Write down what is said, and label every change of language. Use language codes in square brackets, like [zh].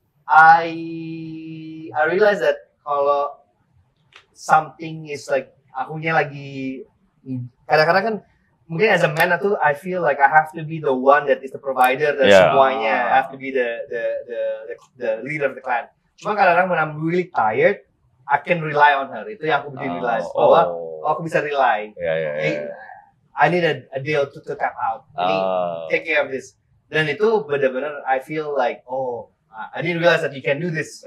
[en] I realize that kalau something is like [id] akunya lagi kadang-kadang kan mungkin [en] as a man itu I feel like I have to be the one that is the provider the yeah. semuanya I have to be the leader of the clan. [id] Cuma kadang-kadang [en] when I'm really tired I can rely on her. [id] Itu yang aku bisa realize bahwa aku bisa rely. [en] Yeah. I need a deal to tap out. Ini take care of this. [id] Dan itu benar-benar [en] I feel like I didn't realize that you can do this.